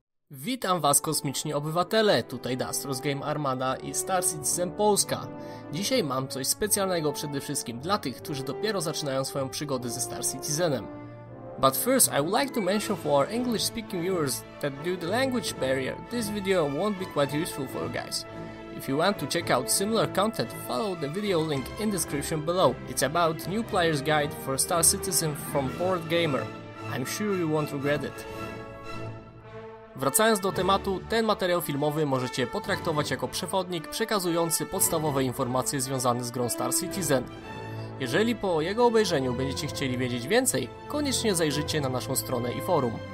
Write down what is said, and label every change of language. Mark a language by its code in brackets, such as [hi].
[pl] Witam Was, kosmiczni obywatele, tutaj Dastros Game Armada i Star Citizen Polska. Dzisiaj mam coś specjalnego przede wszystkim dla tych, którzy dopiero zaczynają swoją przygodę ze Star Citizenem. [en] But first, I would like to mention for our English-speaking viewers that due to language barrier, this video won't be quite useful for you guys. If you want to check out similar content, follow the video link in description below. It's about new player's guide for Star Citizen from Board Gamer. I'm sure you won't regret it. [pl] Wracając do tematu, ten materiał filmowy możecie potraktować jako przewodnik przekazujący podstawowe informacje związane z grą Star Citizen. Jeżeli po jego obejrzeniu będziecie chcieli wiedzieć więcej, koniecznie zajrzyjcie na naszą stronę i forum.